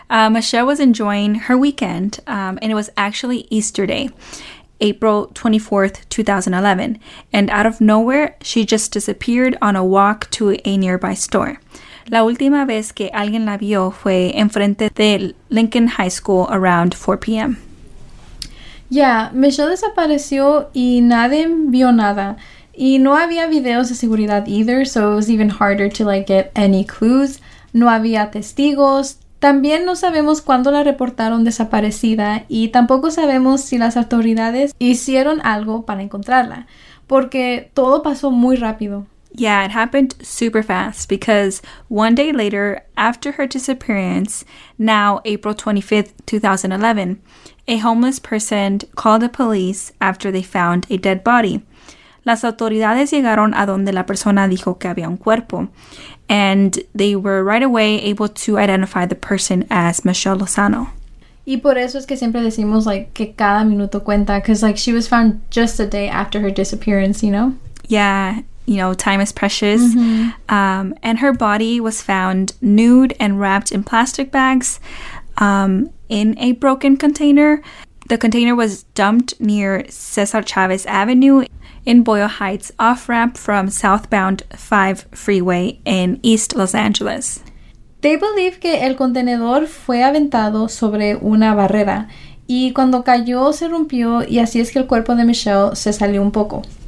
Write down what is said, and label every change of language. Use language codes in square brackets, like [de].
[en] Michelle was enjoying her weekend and it was actually Easter Day. April 24th, 2011, and out of nowhere, she just disappeared on a walk to a nearby store. [es] La última vez que alguien la vio fue enfrente de Lincoln High School [en] around 4 p.m. [es] Yeah, Michelle desapareció y nadie vio nada. Y no había videos de seguridad [en] either, so it was even harder to like get any clues. [es] No había testigos. También no sabemos cuándo la reportaron desaparecida y tampoco sabemos si las autoridades hicieron algo para encontrarla, porque todo pasó muy rápido. [en] Yeah, it happened super fast because one day later, after her disappearance, now April 25th, 2011, a homeless person called the police after they found a dead body. [es] Las autoridades llegaron a donde la persona dijo que había un cuerpo, [en] and they were right away able to identify the person as Michelle Lozano. [es] Y por eso es que siempre decimos like que cada minuto cuenta, [en] because like she was found just a day after her disappearance, you know? Yeah, you know, time is precious. Mm-hmm. And her body was found nude and wrapped in plastic bags in a broken container. The container was dumped near Cesar Chavez Avenue in Boyle Heights, off-ramp from southbound 5 Freeway in East Los Angeles. They believe [es] que el contenedor fue aventado sobre una barrera, y cuando cayó se rompió, y así es que el cuerpo de Michelle se salió un poco.